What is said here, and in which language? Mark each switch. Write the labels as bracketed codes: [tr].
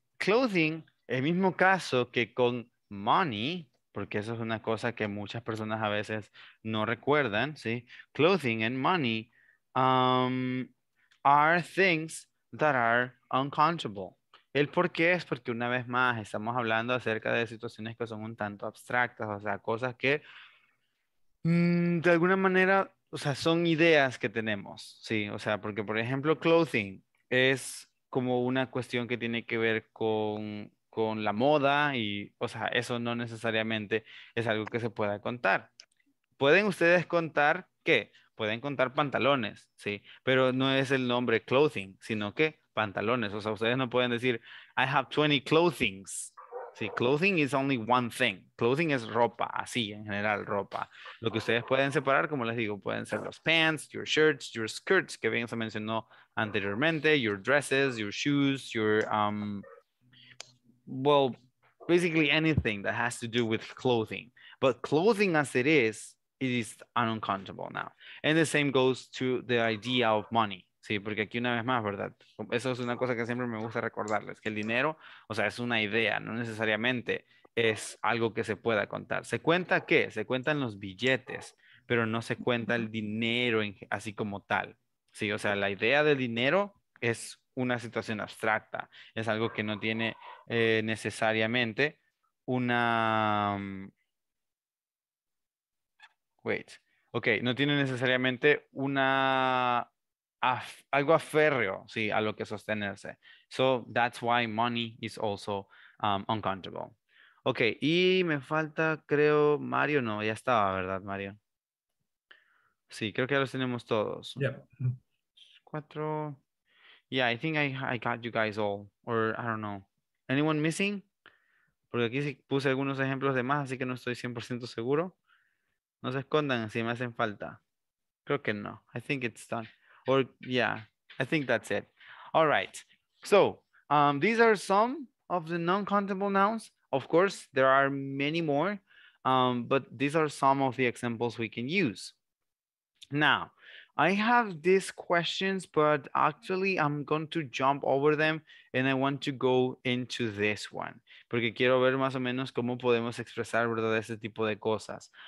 [es] Clothing, el mismo caso que con money, porque eso es una cosa que muchas personas a veces no recuerdan, ¿sí? [en] Clothing and money are things that are uncountable. [es] El por qué es porque una vez más estamos hablando acerca de situaciones que son un tanto abstractas, o sea, cosas que de alguna manera, o sea, son ideas que tenemos, ¿sí? O sea, porque por ejemplo, clothing es como una cuestión que tiene que ver con la moda y, o sea, eso no necesariamente es algo que se pueda contar. ¿Pueden ustedes contar qué? Pueden contar pantalones, ¿sí? Pero no es el nombre clothing, sino que pantalones. O sea, ustedes no pueden decir, [en] I have 20 clothings. [es] Sí, [en] clothing is only one thing. [es] Clothing es ropa, así, en general, ropa. Lo que ustedes pueden separar, como les digo, pueden ser los [en] pants, your shirts, your skirts, [es] que bien se mencionó anteriormente, [en] your dresses, your shoes, your, well, basically anything that has to do with clothing. But clothing as it is, it is uncountable now. And the same goes to the idea of money. [es] Sí, porque aquí una vez más, ¿verdad? Eso es una cosa que siempre me gusta recordarles, que el dinero, o sea, es una idea, no necesariamente es algo que se pueda contar. ¿Se cuenta qué? Se cuentan los billetes, pero no se cuenta el dinero en, así como tal. Sí, o sea, la idea del dinero es una situación abstracta, es algo que no tiene necesariamente una... Wait, ok, no tiene necesariamente una... algo aférreo, sí, a lo que sostenerse. [en] So that's why money is also uncountable. [es] Ok, y me falta, creo, Mario, no, ya estaba, ¿verdad, Mario? Sí, creo que ya los tenemos todos. [en] Yeah, I think I got you guys all, or I don't know. Anyone missing? [es] Porque aquí sí puse algunos ejemplos de más, así que no estoy 100% seguro. No se escondan si me hacen falta. Creo que no, [en] I think it's done. Or, yeah, I think that's it. All right. So, these are some of the non-countable nouns. Of course, there are many more, but these are some of the examples we can use. Now, I have these questions, but actually I'm going to jump over them and I want to go into this one. [es] Porque quiero ver más o menos cómo podemos expresar, ¿verdad?, ese tipo de cosas.